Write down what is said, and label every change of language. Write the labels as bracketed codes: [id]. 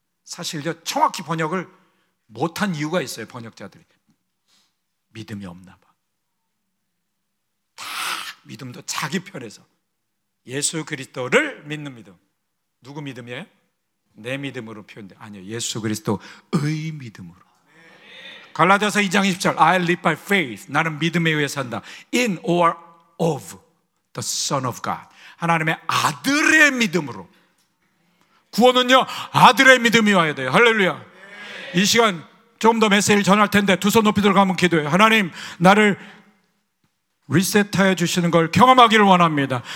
[ko] 사실 정확히 번역을 못한 이유가 있어요. 번역자들이 믿음이 없나 봐. 다 믿음도 자기 편에서. 예수 그리스도를 믿는 믿음. 누구 믿음이에요? 내 믿음으로 표현돼. 아니요, 예수 그리스도의 믿음으로. 갈라디아서 2장 20절 [en] I live by faith. [ko] 나는 믿음에 의해 산다. [en] In or of the Son of God. [ko] 하나님의 아들의 믿음으로. 구원은요 아들의 믿음이 와야 돼요. 할렐루야. 이 시간 조금 더 메시지를 전할 텐데 두 손 높이 들어가면 기도해요. 하나님 나를 리셋하여 주시는 걸 경험하기를 원합니다.